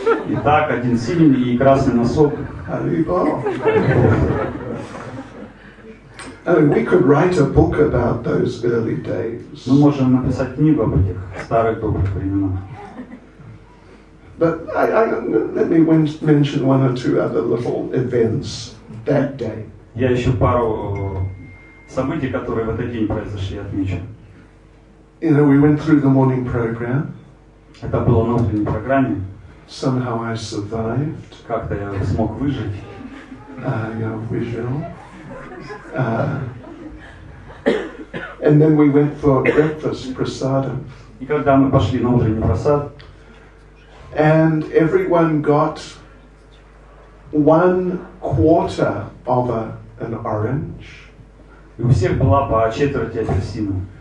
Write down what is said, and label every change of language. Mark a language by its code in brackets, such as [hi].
[ru] Итак, один синий и красный носок. [en] We could write a book about those early days. [ru] Мы можем написать книгу об этих старых добрых временах. [en] But let me mention one or two other little events that day. [ru] Я еще пару события, которые в этот день произошли, отмечу. [en] We went through the morning program. [ru] Это было на утренней программе. [en] Somehow I survived. [ru] Как-то я смог выжить. Я выжил. [en] And then we went for breakfast, prasadam. [ru] И когда мы пошли на утренний просад. [en] And everyone got one quarter of an orange. [ru] И у всех была по четверти апельсина.